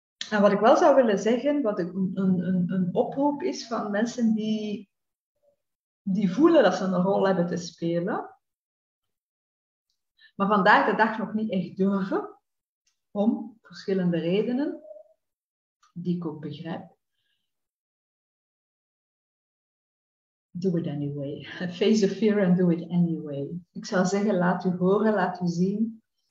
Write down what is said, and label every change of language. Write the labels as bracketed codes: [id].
[nl] En wat ik wel zou willen zeggen, wat een oproep is van mensen die voelen dat ze een rol hebben te spelen, maar vandaag de dag nog niet echt durven, om verschillende redenen, die ik ook begrijp. [en] Do it anyway. Face the fear and do it anyway. [nl] Ik zou zeggen, laat u horen, laat u zien.